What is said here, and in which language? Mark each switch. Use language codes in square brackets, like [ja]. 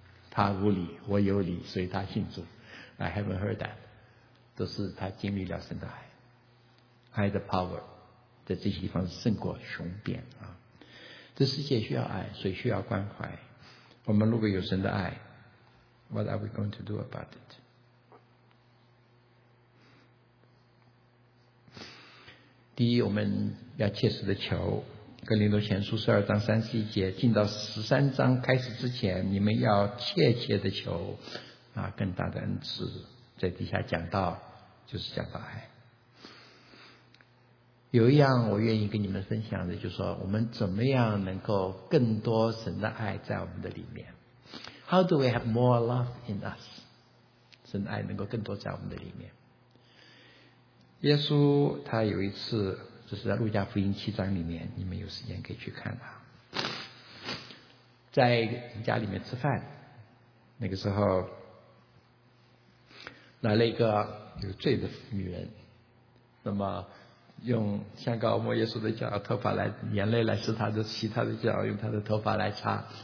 [zh] 他无理，我有理，所以他信主。 I haven't heard that. 都是他经历了神的爱。爱的 power 在这些地方胜过雄辩啊。这世界需要爱，所以需要关怀。我们如果有神的爱， What are we going to do about it? 第一，我们要切实的求哥林多前书12章31节，进到13章开始之前，你们要切切的求啊更大的恩赐。在底下讲到就是讲到爱。有一样我愿意跟你们分享的，就是说我们怎么样能够更多神的爱在我们的里面。 [en] How do we have more love in us? [zh] 神的爱能够更多在我们的里面。耶稣他有一次，这是在路加福音7章里面，你们有时间可以去看啊。在家里面吃饭，那个时候来了一个有罪的女人，那么用香膏抹耶稣的脚，头发来眼泪来湿他的，洗他的脚，用他的头发来擦。